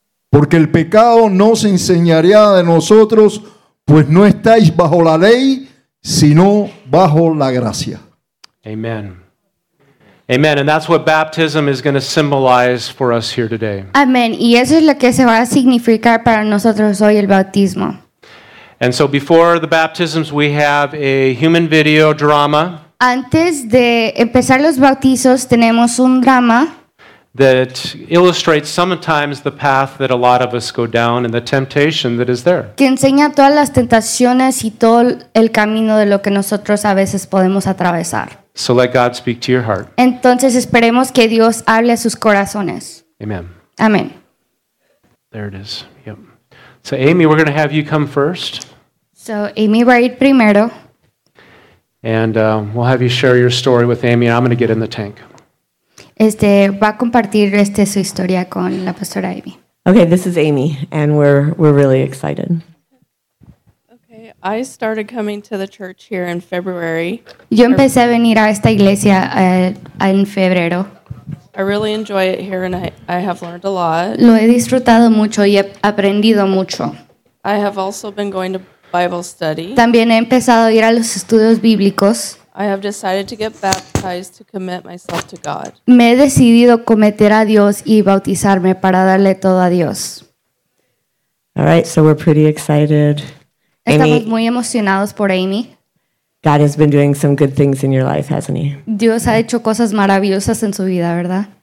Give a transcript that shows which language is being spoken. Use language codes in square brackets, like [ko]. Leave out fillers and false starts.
[es] Porque el pecado no se enseñaría de nosotros, pues no estáis bajo la ley, sino bajo la gracia. [en] Amen. Amen. And that's what baptism is going to symbolize for us here today. Amen. [es] Y eso es lo que se va a significar para nosotros hoy, el bautismo. [en] And so before the baptisms, we have a human video drama. [es] Antes de empezar los bautizos, tenemos un drama [en] that illustrates sometimes the path that a lot of us go down and the temptation that is there. [es] Que enseña todas las tentaciones y todo el camino de lo que nosotros a veces podemos atravesar. [en] So let God speak to your heart. [es] Entonces esperemos que Dios hable a sus corazones. [en] Amen. Amen. There it is. Yep. So Amy, we're going to have you come first. [es] So Amy va a ir primero. [en] And we'll have you share your story with Amy, and I'm going to get in the tank. [es] Va a compartir su historia con la pastora Amy. [en] Okay, this is Amy, and we're really excited. Okay, I started coming to the church here in February. [es] Yo empecé a venir a esta iglesia en febrero. [en] I really enjoy it here, and I have learned a lot. [es] Lo he disfrutado mucho y he aprendido mucho. [en] I have also been going to Bible study. [es] También he empezado a ir a los estudios bíblicos. [en] I have decided to get baptized to commit myself to God. [es] Me he decidido cometer a Dios y bautizarme para darle todo a Dios. [en] All right, so we're pretty excited. [es] Estamos muy emocionados por Amy. [en] God has been doing some good things in your life, hasn't he? [es] Dios ha hecho cosas maravillosas en su vida, ¿verdad?